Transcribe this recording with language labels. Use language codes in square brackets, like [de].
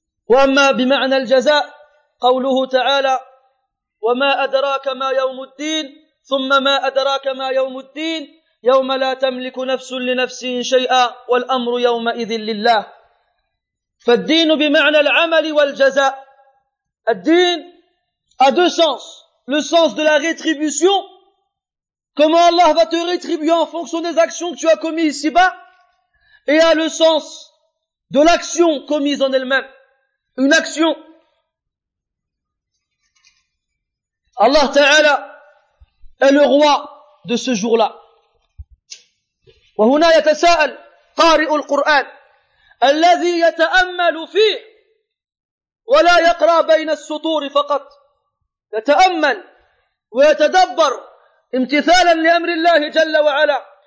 [ar] وأما بمعنى الجزاء قوله تعالى: وما أدراك ما يوم الدين ثم ما أدراك ما يوم الدين يوم لا تملك نفس لنفس شيئا والأمر يومئذ لله. فالدين بمعنى العمل والجزاء. [fr] الدين a deux sens: le sens de la rétribution, comment Allah va te rétribuer en fonction des actions que tu as commises ici-bas, et a le sens de l'action commise en elle-même. Une action. Allah Ta'ala est le roi de ce jour-là. [ar] وهنا يتساءل قارئ القرآن الذي يتأمل فيه ولا يقرأ بين السطور فقط. يتأمل ويتدبر امتثالا لأمر الله جل وعلا.